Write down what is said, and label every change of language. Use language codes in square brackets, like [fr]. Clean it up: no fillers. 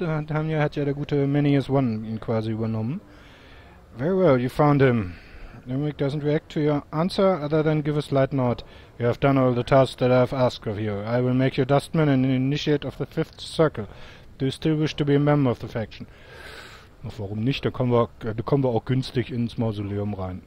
[de] Hat ja der gute Many as One ihn quasi übernommen. [en] Very well, you found him. Emmerich doesn't react to your answer other than give a slight nod. You have done all the tasks that I have asked of you. I will make you dustman and initiate of the fifth circle. Do you still wish to be a member of the faction? [de] Ach, warum nicht? Da kommen wir auch günstig ins Mausoleum rein.